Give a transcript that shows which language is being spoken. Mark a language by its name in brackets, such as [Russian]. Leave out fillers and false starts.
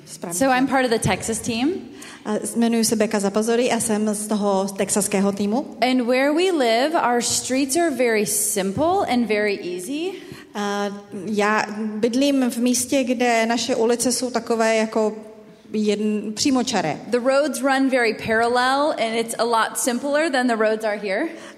[English] So I'm part of the Texas team. [Czech] Jmenuji se Becca Zappazodi a jsem z toho texaského týmu. [English] And where we live, our streets are very simple and very easy. [Czech] Já bydlím v místě, kde naše ulice jsou takové jako přímočaré. [English] The roads run very parallel and it's a lot simpler than the roads are here.